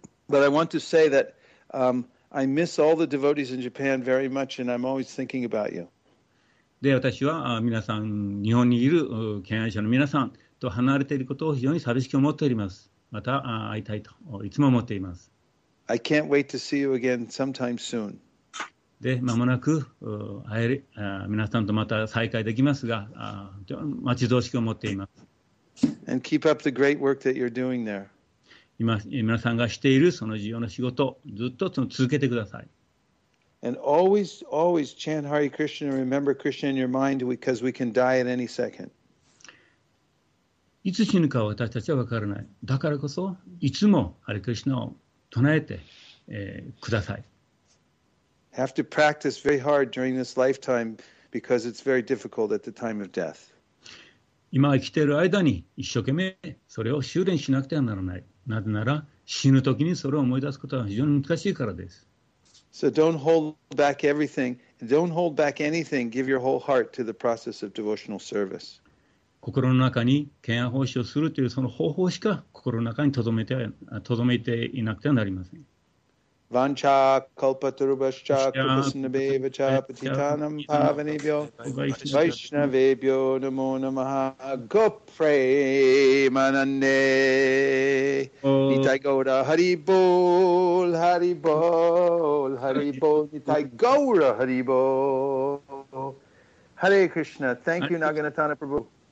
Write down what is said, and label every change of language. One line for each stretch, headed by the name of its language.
English: But I want to say that I miss all the devotees in Japan very much, and I'm always thinking about you.
Japanese: で、私は皆さん、日本にいる敬愛者の皆さんと離れていることを非常に寂しく思っております。また会いたいといつも思っています。
English: I can't wait to see you again sometime soon.
Japanese: で、まもなく会える皆さんとまた再会できますが、待ち遠しく思っています。
English: And keep up the great work that you're doing there.
Japanese: 今、皆さんがしているその重要な仕事をずっと続けてください。
English: And always, always chant Hare Krishna and remember Krishna in your mind because we can die at any second.
Japanese: いつ死ぬか私たちは分からない。だからこそいつもHare Krishnaを唱えて、ください。
English: Have to practice very hard during this lifetime because it's very difficult at the time of death.
Japanese: 今生きている間に一生懸命それを修練しなくてはならない。なぜなら死ぬ時にそれを思い出すことは非常に難しいからです。
English: So don't hold back everything. Don't hold back anything. Give your whole heart to the process of devotional service.
Japanese: 心の中に献愛奉仕をするというその方法しか心の中に留めていなくてはなりません。
Sanskrit: Vancha kalpaturubhascha kupasnabevacha patitanam pavanebhyo vaishnavebhyo namo namaha gopremanande Nitai Gaura Haribol Haribol Haribol Nitai Gaura Haribol Hare Krishna,
English: thank you
Sanskrit: Naganatana Prabhu.